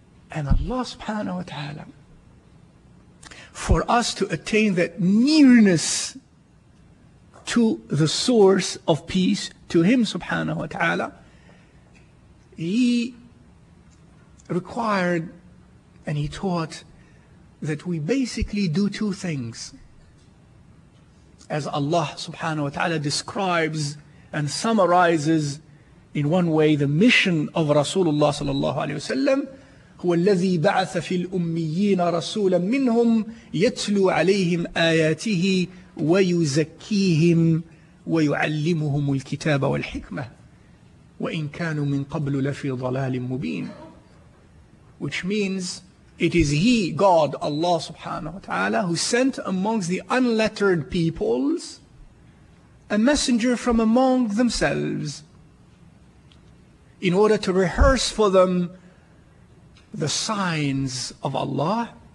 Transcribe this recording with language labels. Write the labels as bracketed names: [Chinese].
[English] And Allah subhanahu wa ta'ala, for us to attain that nearness to the source of peace, to Him subhanahu wa ta'ala, He required and He taught that we basically do two things. As Allah subhanahu wa ta'ala describes and summarizes in one way the mission of Rasulullah sallallahu alayhi wa sallam, [Arabic] هو الذي بعث في الأميين رسولا منهم يتلو عليهم آياته ويزكيهم ويعلمهم الكتاب والحكمة وإن كانوا من قبل لفي ضلال مبين. [English] Which means it is He, God, Allah subhanahu wa ta'ala, who sent amongst the unlettered peoples a messenger from among themselves in order to rehearse for them the signs of Allah